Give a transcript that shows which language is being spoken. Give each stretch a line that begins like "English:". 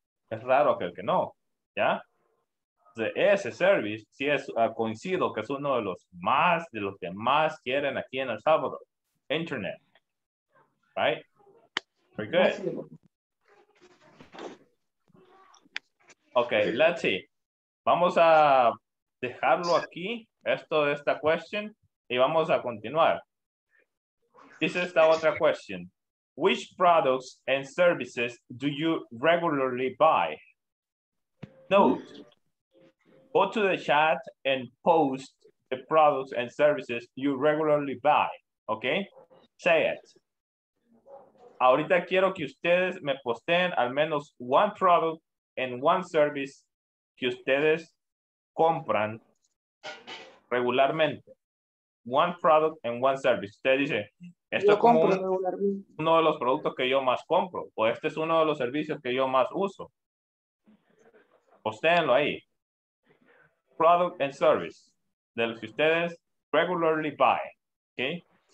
Spanish: Es raro que el que no, ¿ya? Ese service, sí es coincido que es uno de los más, de los que más quieren aquí en El Salvador.
English: Internet. Right? Very good. Okay, let's see.
Spanish: Vamos a dejarlo aquí, esto de esta question, y vamos a continuar.
English: This is the other question. Which products and services do you regularly buy? Note, go to the chat and post the products and services you regularly buy. Okay? Say it.
Spanish: Ahorita quiero que ustedes me posteen al menos
English: one product and one service
Spanish: que ustedes compran regularmente.
English: One product and one service.
Spanish: Usted dice, esto es como uno de los productos que yo más compro, o este es uno de los servicios que yo más uso. Postéenlo ahí.
English: Product and service
Spanish: de los que ustedes
English: regularly buy.
Spanish: Okay.